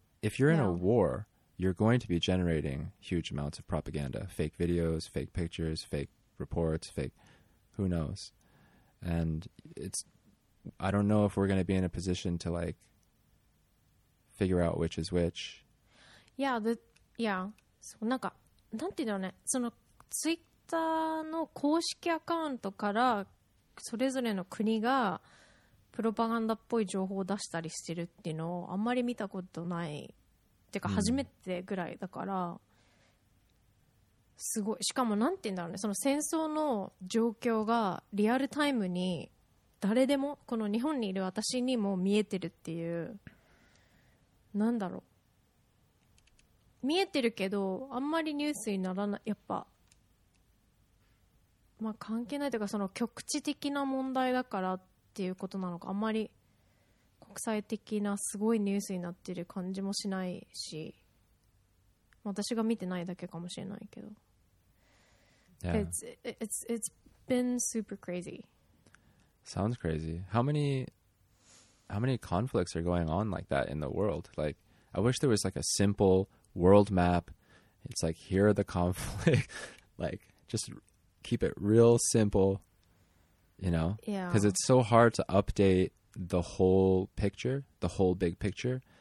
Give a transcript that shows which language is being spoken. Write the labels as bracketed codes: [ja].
[en] If you're in a war, you're going to be generating huge amounts of propaganda. Fake videos, fake pictures, fake reports, fake... Who knows? And it's... I don't know if we're going to be in a position to like figure out which is which. Yeah, [ja] そう、なんか、なんていうのね、その、ツイッターの公式アカウントから、それぞれの国が、プロパガンダっぽい情報を出したりしてるっていうのを、あんまり見たことない。てか、初めてぐらいだから、すごい。しかも、なんていうんだろうね、その戦争の状況がリアルタイムに、誰でもこの日本にいる私にも見えてるっていう、なんだろう、見えてるけどあんまりニュースにならない、やっぱまあ関係ないというか、その局地的な問題だからっていうことなのか、あんまり国際的なすごいニュースになってる感じもしないし、私が見てないだけかもしれないけど、 [en] It's been super crazy. Sounds crazy. How many conflicts are going on like that in the world? Like, I wish there was like a simple world map. It's like, here are the conflicts. Like, just keep it real simple, you know? Yeah. Because it's so hard to update the whole picture, the whole big picture.